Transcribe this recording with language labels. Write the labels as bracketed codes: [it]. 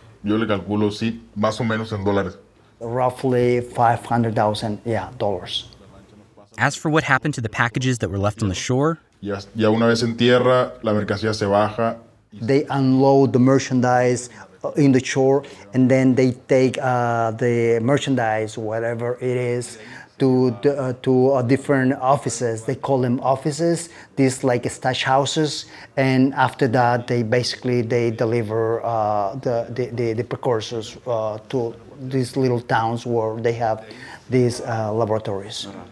[es] Yo le calculo, sí, más o menos en dólares. [en] Roughly $500,000. As for what happened to the packages that were left on the shore, [es] ya una vez en tierra, la mercancía se baja. [en] They unload the merchandise in the shore, and then they take the merchandise, whatever it is, to different offices. They call them offices, these like stash houses, and after that, they deliver the precursors to these little towns where they have these laboratories.